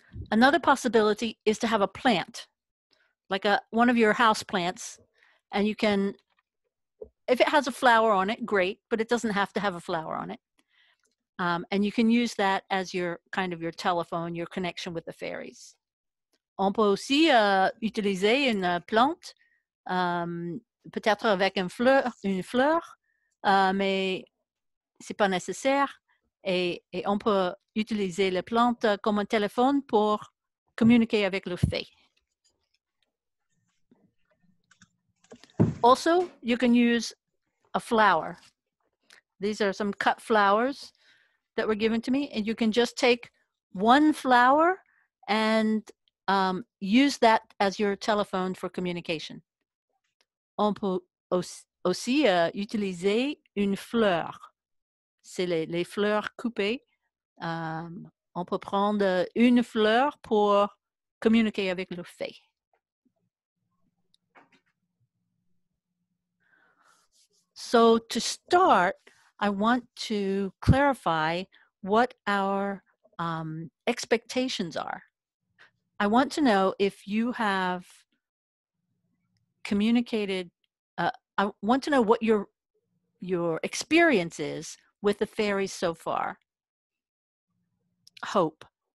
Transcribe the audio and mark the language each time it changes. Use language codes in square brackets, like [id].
[en] Another possibility is to have a plant, like one of your house plants, and you can, if it has a flower on it, great, but it doesn't have to have a flower on it. And you can use that as your kind of your telephone, your connection with the fairies. [fr] On peut aussi utiliser une plante, peut-être avec une fleur, mais c'est pas nécessaire. Et on peut utiliser la plante comme un téléphone pour communiquer avec le fée. [en] Also, you can use a flower. These are some cut flowers that were given to me, and you can just take one flower and use that as your telephone for communication. [fr] On peut aussi utiliser une fleur. C'est les fleurs coupées. On peut prendre une fleur pour communiquer avec le fée. [en] So to start, I want to clarify what our expectations are. I want to know if you have communicated, I want to know what your experience is with the fairies so far. Hope.